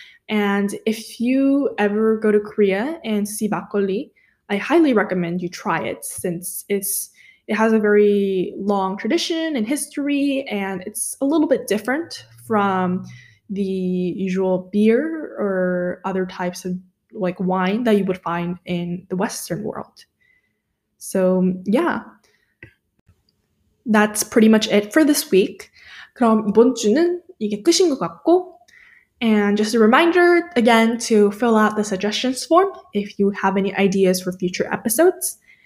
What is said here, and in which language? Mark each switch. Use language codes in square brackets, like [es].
[en] And if you ever go to Korea and see 막걸리, I highly recommend you try it since it has a very long tradition and history, and it's a little bit different from the usual beer or other types of like wine that you would find in the Western world. So yeah, that's pretty much it for this week. [ko] 그럼 이번 주는 이게 끝인 것 같고, [en] and just a reminder again to fill out the suggestions form if you have any ideas for future episodes.